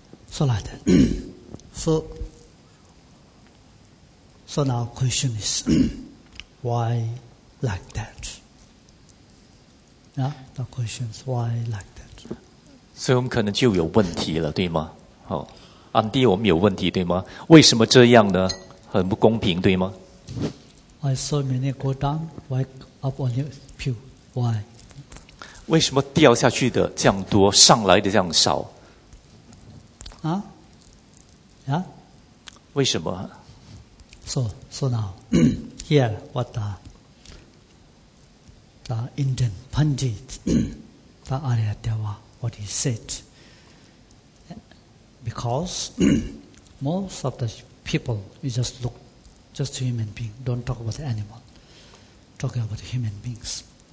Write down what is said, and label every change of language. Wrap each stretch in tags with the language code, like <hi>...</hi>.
<en>So like that. So now question is, why like that? Yeah, the question is why like that?</en> <zh>所以我们可能就有问题了，对吗？好，安迪，我们有问题，对吗？为什么这样呢？很不公平，对吗</zh> <en>？I saw many go down, why up on your pew? Why?</en> <zh>为什么掉下去的这样多，上来的这样少？啊？呀？为什么</zh> <en>？So now, here what the Indian Pandit, the Arya Deva, what he said. Because most of the people, you just look, just human being, don't talk about the animal, talking about the human beings.</en>